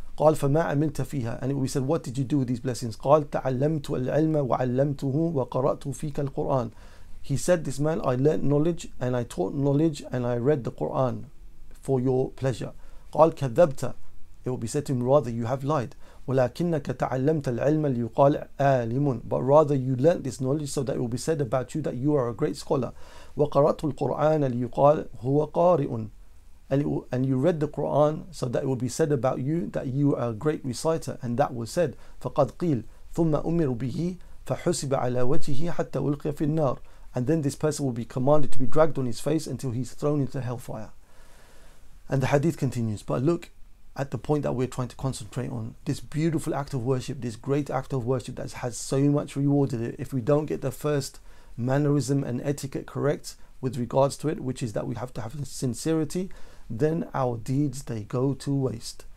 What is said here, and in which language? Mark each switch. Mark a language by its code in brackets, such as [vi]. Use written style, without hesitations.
[ar] قَالَ فَمَا عَمِلْتَ فِيهَا. [en] And it will be said, what did you do with these blessings? [ar] قَالَ تَعَلَّمْتُ الْعِلْمَ وَعَلَّمْتُهُ وَقَرَأْتُ فِيكَ الْقُرْآنَ. [en] He said, this man, I learned knowledge and I taught knowledge and I read the Quran for your pleasure. [ar] قَالَ كَذَّبْتَ. [en] It will be said to him, rather you have lied. [ar] ولكنك تعلمت العلم ليقال عالم. [en] But rather you learnt this knowledge so that it will be said about you that you are a great scholar. [ar] وقرأت القرآن ليقال هو قارئ. [en] And you read the Quran so that it will be said about you that you are a great reciter. And that was said. [ar] فقد قيل ثم أمر به فحسب على وجهه حتى ألقي في النار. [en] And then this person will be commanded to be dragged on his face until he's thrown into hellfire. And the hadith continues. But look at the point that we're trying to concentrate on, this beautiful act of worship, this great act of worship that has so much rewarded it. If we don't get the first mannerism and etiquette correct with regards to it, which is that we have to have sincerity, then our deeds, they go to waste.